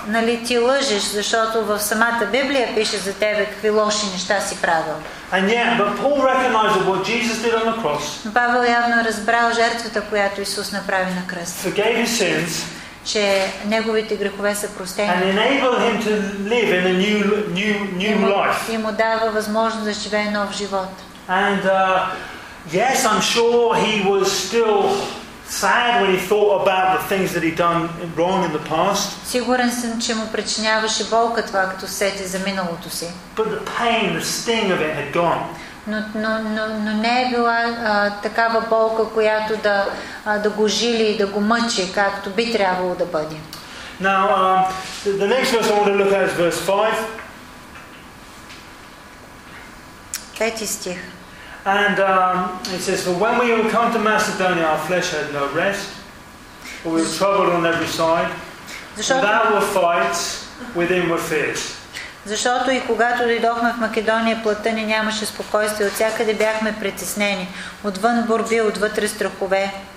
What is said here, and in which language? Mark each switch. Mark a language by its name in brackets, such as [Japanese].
[Bulgarian] Нали, ти лъжиш, защото в самата Библия пише за тебе какви лоши неща си правил. [English] And yet, but Paul recognized what Jesus did on the cross. [Bulgarian] Павел явно разбрал жертвата, която Исус направи на кръст. [English] Forgave his sins. [Bulgarian] Че неговите грехове са простени. [English] And enable him to live in a new life. [Bulgarian] И му дава възможност да живее нов живот. [English] And yes, I'm sure he was still sad when he thought about the things that he'd done wrong in the past. [Bulgarian] Сигурен съм, че му причиняваше болка това, като сети за миналото си. [English] But the pain, the sting of it had gone. [Bulgarian] Но не е била такава болка, която да го жили и да го мъчи, както би трябвало да бъде. [English] Now, the next verse I want to look at is verse 5. [Bulgarian] Пети стих. [English] And it says, for when we were come to Macedonia, our flesh had no rest, for we were troubled on every side, without were fights, within were fears. [Bulgarian] Защото и когато дойдохме в Македония, плътта ни нямаше спокойствие, от всякъде бяхме притеснени, отвън борби, отвътре страхове.